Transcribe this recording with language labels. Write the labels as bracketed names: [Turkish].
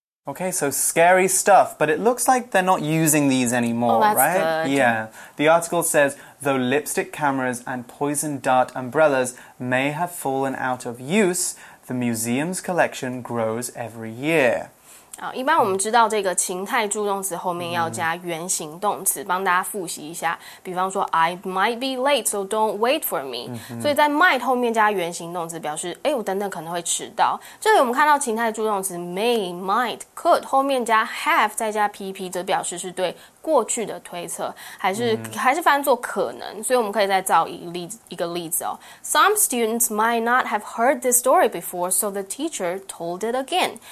[English] Okay, so scary stuff, but it looks like they're not using these anymore, right? Good. Yeah. The article says, though lipstick cameras and poison dart umbrellas may have fallen out of use, the museum's collection grows every year. [Chinese] 一般我们知道这个情态助动词后面要加原形动词，帮大家复习一下。比方说 [English] ，I might be late, so don't wait for me。 [Chinese] 所以在 might 后面加原形动词，表示我等等可能会迟到。这里我们看到情态助动词 may, might, could 后面加 have 再加 PP， 则表示是对过去的推测，还是翻作可能。所以我们可以再造一个例子哦。 [English] Some students might not have heard this story before, so the teacher told it again。